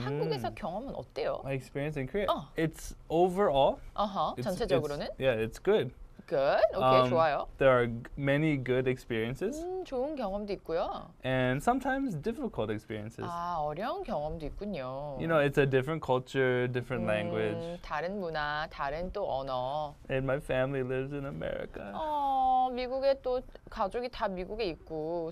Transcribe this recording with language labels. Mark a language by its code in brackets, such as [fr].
[ko] 한국에서 경험은 어때요? [en] My experience in Korea? It's overall. [ko] Uh-huh. It's, 전체적으로는? [en] It's good. Good? Okay, [ko] 좋아요. [en] There are many good experiences. [ko] 좋은 경험도 있고요. [en] And sometimes difficult experiences. [ko] 아, 어려운 경험도 있군요. [en] You know, it's a different culture, different language. [ko] 다른 문화, 다른 또 언어. [en] And my family lives in America. [ko] 미국에 또 가족이 다 미국에 있고.